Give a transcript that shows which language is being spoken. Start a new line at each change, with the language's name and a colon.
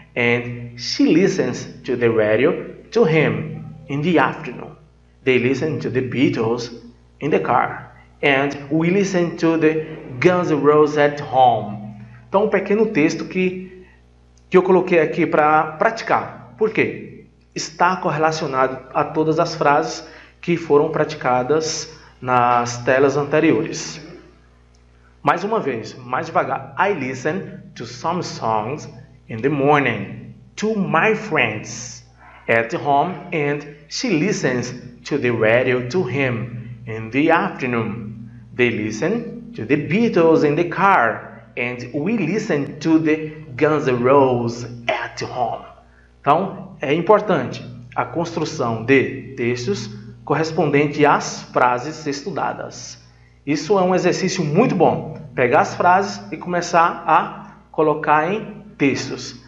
English: And she listens to the radio to him in the afternoon. They listen to the Beatles in the car. And we listen to the Guns N' Roses at home.
Portuguese: Então, um pequeno texto que eu coloquei aqui para praticar. Por quê? Está correlacionado a todas as frases que foram praticadas nas telas anteriores. Mais uma vez, mais devagar.
English: I listen to some songs in the morning to my friends at home and she listens to the radio to him in the afternoon. They listen to the Beatles in the car and we listen to the Guns N' Roses at home.
Portuguese: Então, é importante a construção de textos correspondente às frases estudadas. Isso é um exercício muito bom. Pegar as frases e começar a colocar em textos.